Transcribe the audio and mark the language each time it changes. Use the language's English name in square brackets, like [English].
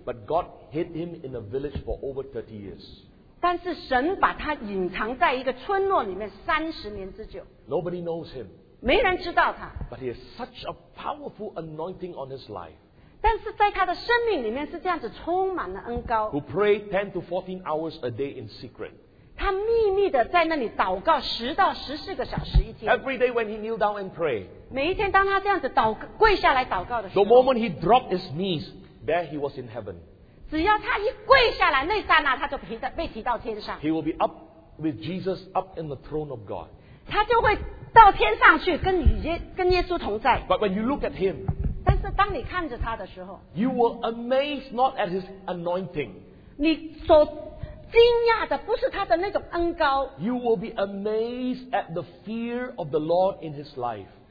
[English] But God hid him in a village for over 30 years. [Chinese] 但是神把他隐藏在一个村落里面30年之久。 [English] Nobody knows him. [Chinese] 没人知道他。 [English] But he has such a powerful anointing on his life. [Chinese] 但是在他的生命里面是这样子充满了恩膏。 [English] Who prayed 10 to 14 hours a day in secret. [Chinese] 他秘密地在那里祷告10到14个小时一天。 [English] Every day when he kneeled down and prayed. [Chinese] 每一天当他这样子跪下来祷告的时候。 [English] The moment he dropped his knees, there he was in heaven. [Chinese] 只要他一跪下来那刹那，他就被提到天上。 [English] He will be up with Jesus up in the throne of God. [Chinese] 他就会到天上去跟耶稣同在。 [English] But when you look at him, [Chinese] 但是当你看着他的时候, [English] you were amazed not at his anointing. [Chinese] 你所惊讶的不是他的那种恩膏, [English] you will be amazed at the fear of the Lord in his life.